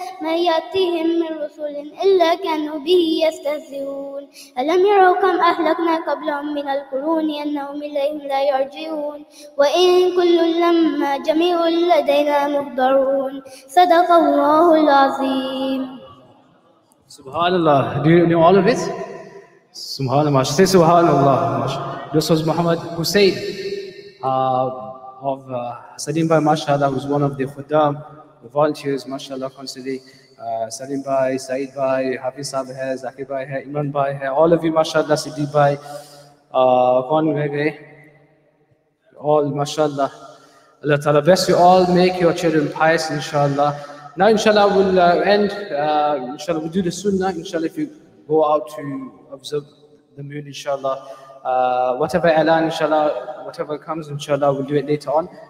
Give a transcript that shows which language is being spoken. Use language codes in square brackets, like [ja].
[ar] ما يأتيهم من رسول إلا كانوا به يستهزئون ألم يروا كم أهلكنا قبلهم من القرون أنهم إليهم لا يرجعون وإن كل لما جميع لدينا محضرون صدق الله العظيم. [en] Subhanallah. Do you know all of it? Subhanallah. Say Subhanallah. This was Muhammad Hussein of Salim Bhai, mashallah, who's one of the khuddam, the volunteers, mashallah, constantly. [ur] سلیم بھائی, سعید بھائی, حافظ صاحب ہے, ذاکر بھائی ہے, ایمان بھائی ہے, [en] all of you, [ur] ماشاءاللہ, صدیق بھائی, کوان بھائی, all, ماشاءاللہ. [en] Allah Ta'ala bless you all, make your children pious, inshallah. Now, inshallah, we'll end. Inshallah, we'll do the sunnah. Inshallah, if you go out to observe the moon, inshallah. Whatever alan, inshallah, whatever comes, inshallah, we'll do it later on.